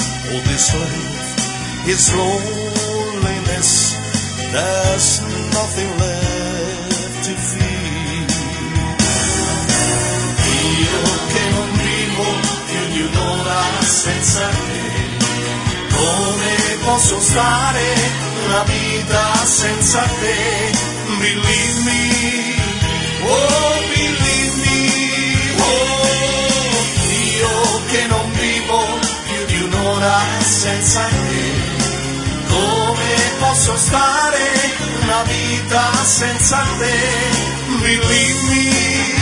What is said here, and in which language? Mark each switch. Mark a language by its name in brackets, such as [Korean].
[English] All this life is loneliness. There's nothing left to fear. [Italian] Io che non vivo più di un'ora senza te, come posso stare una vita senza te? [English] Believe me, oh believe me, oh. [Italian] Io che non vivo più di un'ora senza te, come posso stare una vita senza te? [English] Believe me.